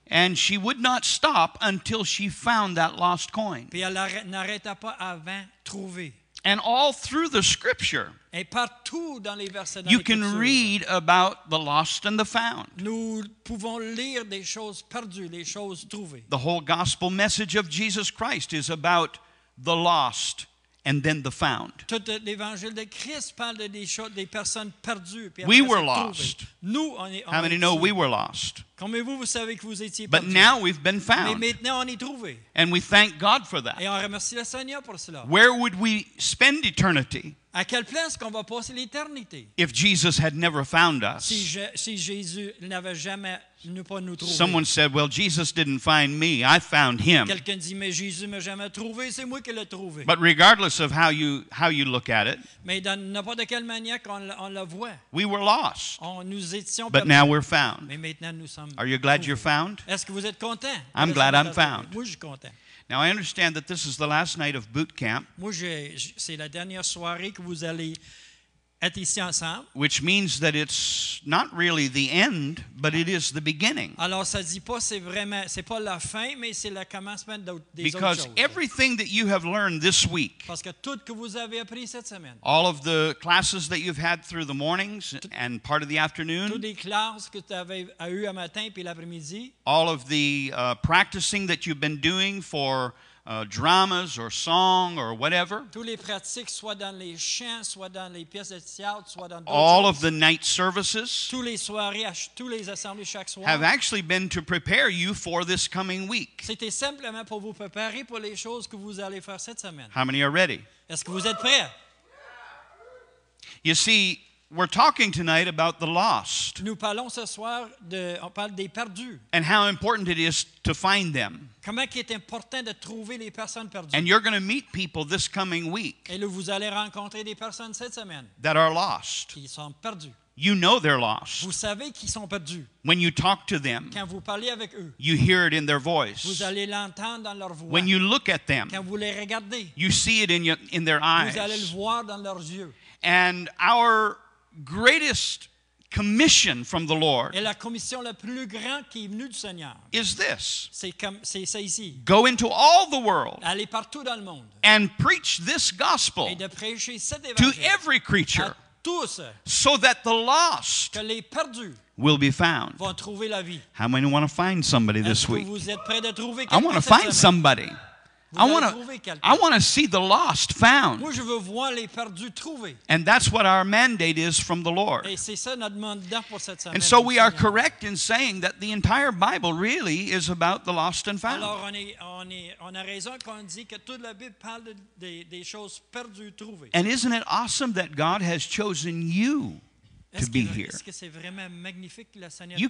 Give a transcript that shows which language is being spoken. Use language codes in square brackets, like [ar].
[en] And she would not stop until she found that lost coin. [fr] Puis elle n'arrêta pas avant trouver. [en] And all through the scripture, [fr] et partout dans les versets dans [en] you can read about the lost and the found. [fr] Nous pouvons lire des choses perdues, les choses trouvées. [en] The whole gospel message of Jesus Christ is about the lost and then the found. [fr] Tout l'évangile de Christ parle des choses, des personnes perdues. [en] We were lost. [fr] Nous, on est, on [en] how many know we were lost? [fr] Vous savez que vous étiez [en] but [fr] perdus. [en] Now we've been found. [fr] Mais maintenant on est trouvé. [en] And we thank God for that. [fr] Et on remercie le Seigneur pour cela. [en] Where would we spend eternity? [fr] À quelle place qu'on va passer l'éternité? [en] If Jesus had never found us. [fr] Si Jésus n'avait jamais nous pas nous trouvé. [en] Someone said, well, Jesus didn't find me, I found him. [fr] Quelqu'un dit, mais Jésus m'a jamais trouvé, c'est moi qui l'ai trouvé. [en] But regardless of how you look at it. [fr] Mais dans n'importe quelle manière qu'on le voit. [en] We were lost. [fr] On nous étions [en] but [fr] perdus. [en] Now we're found. [fr] Mais maintenant nous sommes. [en] Are you glad you're found? [fr] Est-ce que vous êtes content? [en] I'm glad I'm found. [fr] Moi, je suis content. [en] Now I understand that this is the last night of boot camp. [fr] Moi, c'est la dernière soirée que vous allez être ici ensemble. [en] Which means that it's not really the end, but it is the beginning. [fr] Alors, ça dit pas c'est vraiment, c'est pas la fin, mais c'est le commencement des autres choses. [en] Because everything that you have learned this week. [fr] Parce que tout que vous avez appris cette semaine. [en] All of the classes that you've had through the mornings and part of the afternoon. [fr] Toutes les classes que tu avais eu à matin puis l'après-midi. [en] All of the practicing that you've been doing for. Dramas or song or whatever. [fr] Tous les pratiques, soit dans les chants, soit dans les pièces de théâtre, soit dans d'autres. [en] All of the night services. [fr] Tous les soirées, tous les assemblées chaque soir. [en] Have actually been to prepare you for this coming week. [fr] C'était simplement pour vous préparer pour les choses que vous allez faire cette semaine. [en] How many are ready? [fr] Est-ce que vous êtes prêts? [en] You see, we're talking tonight about the lost. [fr] Nous parlons ce soir de, on parle des perdus. [en] And how important it is to find them. [fr] Comment qu'il est important de trouver les personnes perdues. [en] And you're going to meet people this coming week. [fr] Et là, vous allez rencontrer des personnes cette semaine. [en] That are lost. [fr] Qui sont perdus. [en] You know they're lost. [fr] Vous savez qu'ils sont perdus. [en] When you talk to them. [fr] Quand vous parlez avec eux. [en] You hear it in their voice. [fr] Vous allez l'entendre dans leur voix. [en] When you look at them. [fr] Quand vous les regardez. [en] You see it in their eyes. [fr] Vous allez le voir dans leurs yeux. [en] And our greatest commission from the Lord. [fr] Et la commission la plus grande qui est venue du Seigneur. [en] Is this? [fr] C'est ça ici. [en] Go into all the world. [fr] Aller partout dans le monde. [en] And preach this gospel. [fr] Et de prêcher cet évangile. [en] To every creature. [fr] À tous. [en] So that the lost. [fr] Que les perdus. [en] Will be found. [fr] Vont trouver la vie. [en] How many want to find somebody this week? [fr] Vous êtes prêts de trouver quelqu'un? [en] I want to find somebody. I want to see the lost found. [fr] Moi, je veux voir les perdus trouvés. [en] And that's what our mandate is from the Lord. [fr] Et c'est ça notre mandat pour cette semaine. [en] And so we are correct in saying that the entire Bible really is about the lost and found. [fr] Alors on a raison quand on dit que toute la Bible parle des choses perdues trouvées. [en] And isn't it awesome that God has chosen you to be here? [fr] Est-ce que c'est vraiment magnifique que le Seigneur t'a